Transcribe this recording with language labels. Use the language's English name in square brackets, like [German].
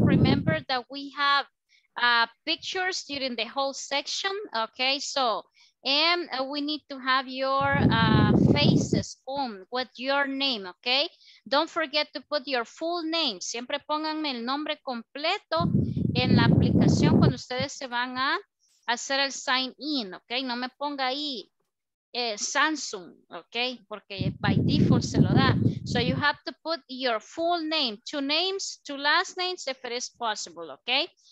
[English] Remember that we have pictures during the whole section. Okay, so and we need to have your faces on with your name. Okay, don't forget to put your full name. [Spanish] Siempre pónganme el nombre completo en la aplicación cuando ustedes se van a hacer el sign in, ok, no me ponga ahí Samsung, ok, porque [English] by default [Spanish] se lo da. [English] So you have to put your full name, two names, two last names, if it is possible, ok.